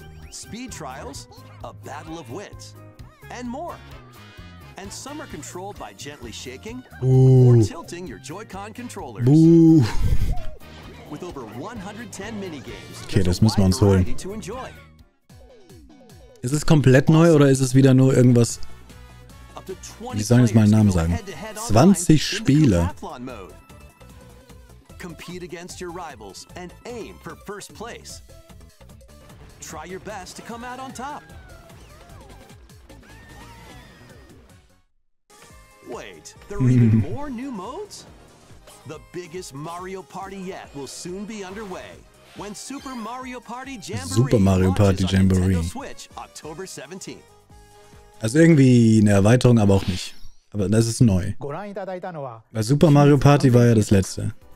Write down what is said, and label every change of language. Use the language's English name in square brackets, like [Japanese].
[English] Speed Trials, a battle of wits, and more. And some are controlled by gently shaking or tilting your Joy-Con controllers. With over 110 minigames. [German] Okay, das müssen wir uns holen. Ist es komplett neu oder ist es wieder nur irgendwas? Wie sollen jetzt meinen Namen sagen? 20 Spiele. [English] Compete against your rivals and aim for first place. Try your best to come out on top. Wait, there are even more new modes? The biggest Mario Party yet will soon be underway when Super Mario Party Jamboree Super Mario Party Jamboree on Switch, October 17th. [German] Also irgendwie eine Erweiterung, aber auch nicht. Aber das ist neu. Weil Super Mario Party war ja das letzte.